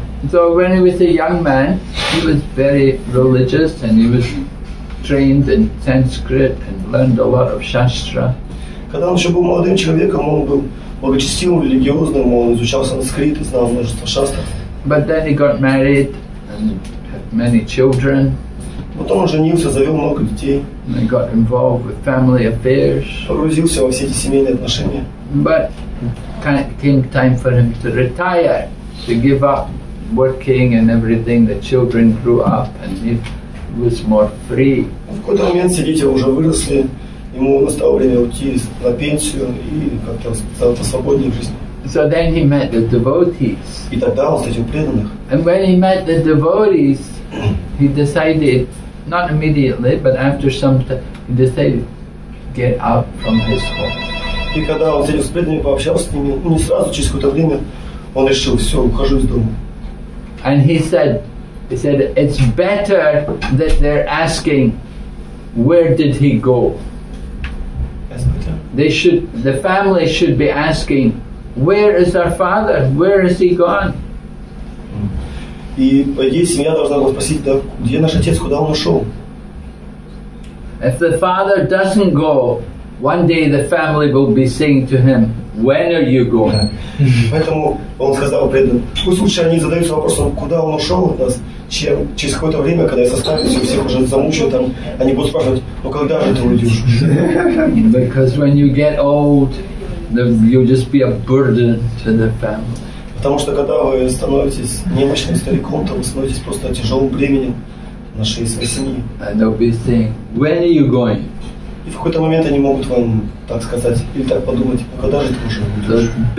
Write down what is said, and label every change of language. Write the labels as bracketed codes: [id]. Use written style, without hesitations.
[en] So when he was a young man, he was very religious and he was trained in Sanskrit and learned a lot of Shastra. [ru] Когда он еще был молодым человеком, он был благочестивым, религиозным, он изучал санскрит и знал множество шастр. [en] But then he got married and had many children. [ru] Потом он женился, завел много детей. [en] And he got involved with family affairs. [ru] Погрузился во все эти семейные отношения. [en] But came time for him to retire, to give up working and everything. The children grew up and he was more free. [ru] В какой-то момент все дети уже выросли. Ему настало время уйти на пенсию и как-то стал посвободнее в жизни. [en] So then he met the devotees. [ru] И тогда он встретил преданных. [en] And when he met the devotees, he decided, not immediately, but after some time, he decided to get out from his home. [ru] И когда он встретил с преданными, пообщался с ними, не сразу, через какое-то время, он решил, все, ухожу из дома. [en] And he said, it's better that they're asking, where did he go? The family should be asking, where is our father? Where is he gone? [ru] И по идее семья должна была спросить, где наш отец, куда он ушел? [en] If the father doesn't go, one day the family will be saying to him, when are you going? [ru] Поэтому он сказал преданным, пусть лучше они задаются вопросом, куда он ушел от нас, чем через какое-то время, когда я состарюсь, всех уже замучил там, они будут спрашивать, ну когда же ты уйдешь? [en] Because when you get old, you'll just be a burden to the family. [ru] Потому что когда вы становитесь немощным стариком, то вы становитесь просто тяжелым бременем нашей семьи. [en] And they'll be saying, when are you going? [ru] И в какой-то момент они могут вам так сказать или так подумать, ну когда же ты уже